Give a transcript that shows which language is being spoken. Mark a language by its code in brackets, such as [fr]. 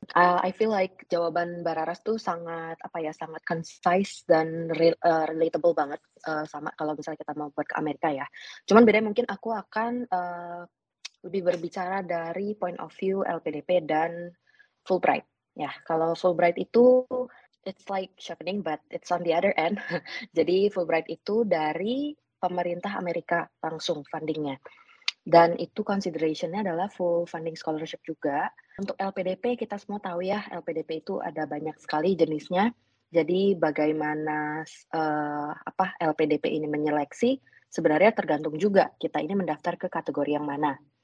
[en] I feel like [id] jawaban Mbak Raras tuh sangat apa ya, sangat concise dan relatable banget sama kalau misalnya kita mau buat ke Amerika ya. Cuman bedanya mungkin aku akan lebih berbicara dari point of view LPDP dan Fulbright. Ya, kalau Fulbright itu [en] it's like shopping but it's on the other end. [id] Jadi Fulbright itu dari pemerintah Amerika langsung fundingnya. Dan itu considerationnya adalah full funding scholarship juga. Untuk LPDP kita semua tahu ya, LPDP itu ada banyak sekali jenisnya. Jadi bagaimana LPDP ini menyeleksi sebenarnya tergantung juga kita ini mendaftar ke kategori yang mana.